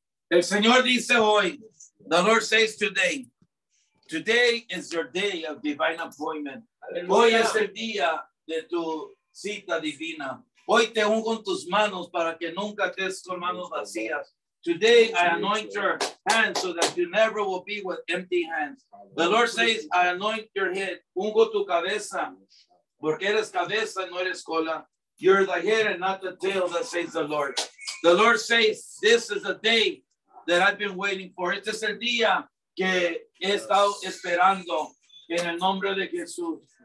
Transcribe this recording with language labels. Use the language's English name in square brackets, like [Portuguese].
[Spanish] El Señor dice hoy, [English] the Lord says today, today is your day of divine appointment. [Spanish] Hoy es el día de tu cita divina. Hoy te ungo en tus manos para que nunca estés con manos vacías. [English] Today I anoint your hands so that you never will be with empty hands. The Lord says, I anoint your head, [Spanish] ungo tu cabeza, porque eres cabeza, no eres cola. [English] You're the head and not the tail, that says the Lord. The Lord says, this is the day that I've been waiting for. [Spanish] Este es el día que he estado esperando en el nombre de Jesús.